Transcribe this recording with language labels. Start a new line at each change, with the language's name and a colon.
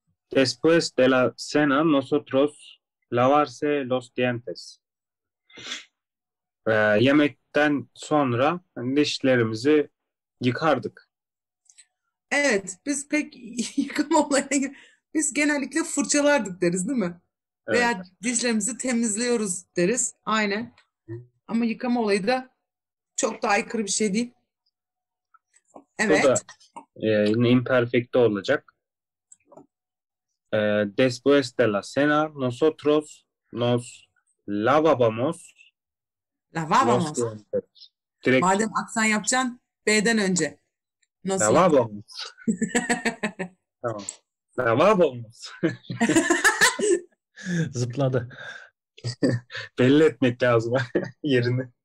Spanish: Después de la cena, nosotros lavarse los dientes.
Turkish: Yemekten sonra dişlerimizi yıkardık. Evet, biz pek yıkama olayına biz genellikle fırçalardık deriz, değil mi? Evet. Veya dişlerimizi temizliyoruz deriz. Aynen. Ama yıkama olayı da çok da aykırı bir şey değil. Bu da Evet. imperfecto olacak.
Spanish: Después de la cena, nosotros nos lavábamos los Lavabamos. dientes. Direkt
Turkish: Madem aksan yapacaksın, B'den önce. Nasıl yapalım?
Spanish: lavábamos. Tamam. Lavábamos.
Turkish: Zıpladı. Belli etmek lazım yerini.